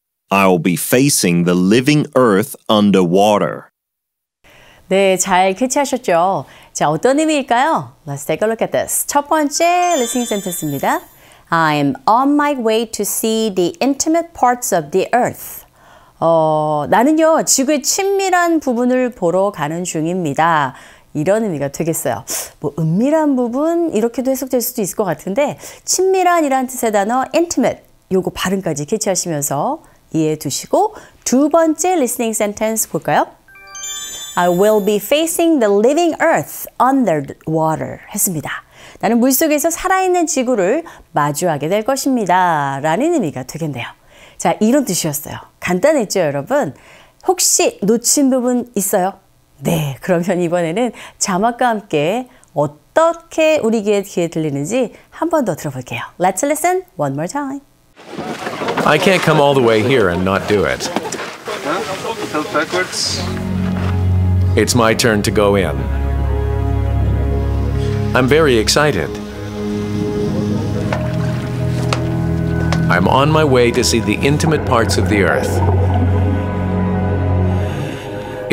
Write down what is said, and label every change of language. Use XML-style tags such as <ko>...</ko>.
<en>I'll be facing the living earth underwater.</en> <ko>네, 잘 캐치하셨죠? 자, 어떤 의미일까요?</ko> <en>Let's take a look at this.</en> <ko>첫 번째 listening sentence입니다.</ko> <en>I'm on my way to see the intimate parts of the earth.</en> <ko>나는요, 지구의 친밀한 부분을 보러 가는 중입니다. 이런 의미가 되겠어요. 뭐 은밀한 부분 이렇게도 해석될 수도 있을 것 같은데 친밀한이라는 뜻의 단어 intimate 요거 발음까지 캐치하시면서 이해해 두시고 두 번째 listening sentence 볼까요?</ko> <en>I will be facing the living earth underwater 했습니다.</en> <ko>나는 물 속에서 살아있는 지구를 마주하게 될 것입니다. 라는 의미가 되겠네요. 자, 이런 뜻이었어요. 간단했죠, 여러분? 혹시 놓친 부분 있어요? 네, 그러면 이번에는 자막과 함께 어떻게 우리 귀에 들리는지 한 번 더 들어볼게요.</ko> <en>Let's listen one more time. I can't come all the way here and not do it. Tilt backwards. It's my turn to go in. I'm very excited. I'm on my way to see the intimate parts of the earth.</en>